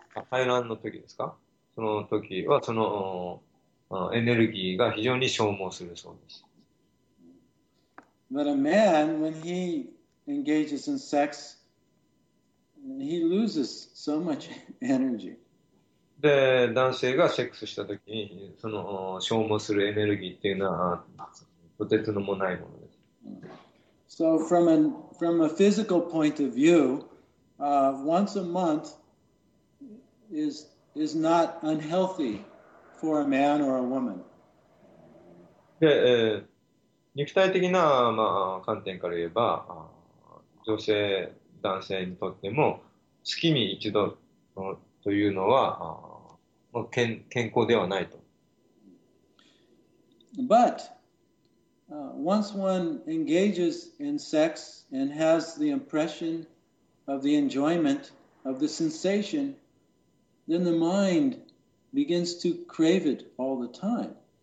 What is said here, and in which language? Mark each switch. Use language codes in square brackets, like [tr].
[ja] 排卵の時ですか？その時はそのエネルギーが非常に消耗するそうです。 [en] But a man, when he engages in sex, he loses so much energy. [ja] で、男性がセックスした時にその消耗するエネルギーっていうのはとてつのもないものです。 [en] So from a physical point of view, once a month is not unhealthy for a man or a woman. [ja] で、肉体的な、まあ、観点から言えば、女性、男性にとっても月に一度というのは、まあ、健康ではないと。 [en] But,once one engages in sex and has the impression of the enjoyment of the sensation, then the mind begins to crave it all the time.